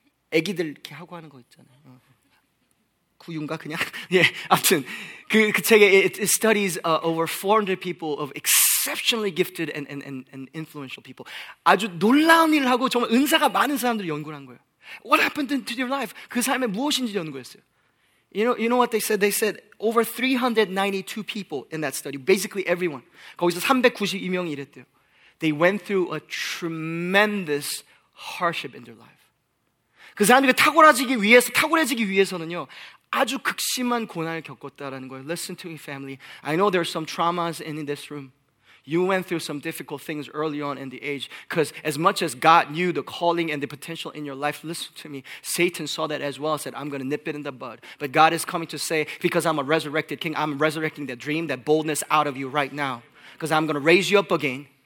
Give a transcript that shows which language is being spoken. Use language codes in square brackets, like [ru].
[ko] 애기들 이렇게 하고 하는 거 있잖아요. 구유인가 그냥? 예. 아무튼 그 책에 [en] it studies over 400 people of exceptionally gifted and influential people. [ko] 아주 놀라운 일을 하고 정말 은사가 많은 사람들을 연구한 거예요. [en] What happened to your life? [ko] 그 삶에 무엇인지 연구했어요. [en] You know what they said? They said over 392 people in that study, basically everyone. [ko] 거기서 392명이 이랬대요. [en] They went through a tremendous hardship in their life. [ko] 그 사람들이 탁월해지기 위해서는요, 아주 극심한 고난을 겪었다라는 거예요. [en] Listen to me, family. I know there are some traumas in this room. You went through some difficult things early on in the age because as much as God knew the calling and the potential in your life, listen to me, Satan saw that as well, said, I'm going to nip it in the bud. But God is coming to say, because I'm a resurrected king, I'm resurrecting that dream, that boldness out of you right now because I'm going to raise you up again.